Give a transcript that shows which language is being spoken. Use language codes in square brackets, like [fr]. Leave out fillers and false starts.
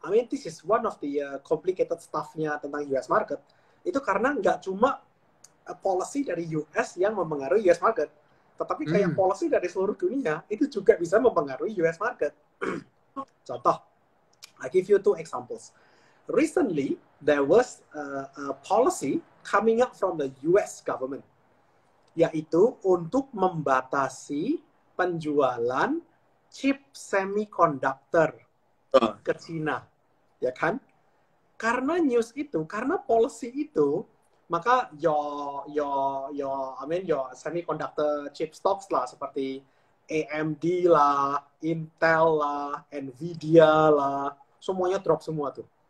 [en] This is one of the complicated stuff-nya tentang US market. [id] Itu karena nggak cuma policy dari US yang mempengaruhi US market. Tetapi kayak policy dari seluruh dunia, itu juga bisa mempengaruhi US market. [en] Contoh, I give you two examples. Recently, there was a policy coming up from the US government. [id] Yaitu untuk membatasi penjualan chip semiconductor ke China. Ya kan? Karena news itu, karena policy itu, maka [en] your semiconductor chip stocks [id] lah seperti AMD lah, Intel lah, Nvidia lah, semuanya drop semua tuh.